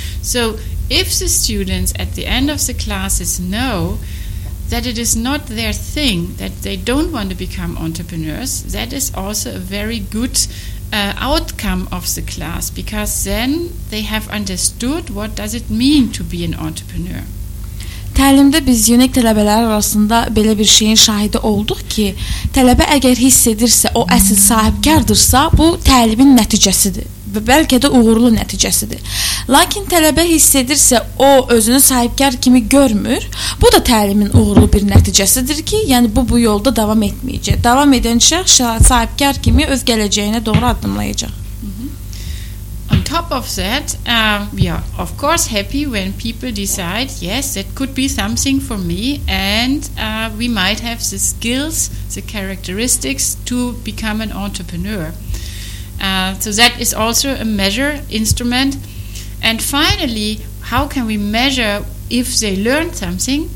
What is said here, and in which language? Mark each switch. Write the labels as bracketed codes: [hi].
[en] So if the students at the end of the classes know that it is not their thing, that they don't want to become entrepreneurs, that is also a very good outcome of the class, because then they have understood what does it mean to be an entrepreneur. [az] Təlimdə biz UNIQ tələbələr arasında belə bir şeyin şahidi olduq ki, tələbə əgər hiss edirsə, o əsl sahibkardırsa, bu təlimin nəticəsidir və bəlkə də uğurlu nəticəsidir. Lakin tələbə hiss edirsə, o özünü sahibkar kimi görmür, bu da təlimin uğurlu bir nəticəsidir ki, yəni bu yolda davam etməyəcək. Davam edən şəxs sahibkar kimi öz gələcəyinə doğru addımlayacaq. [en] Top of that, we are of course happy when people decide, yes, that could be something for me, and we might have the skills, the characteristics to become an entrepreneur. So that is also a measure instrument. And finally, how can we measure if they learn something?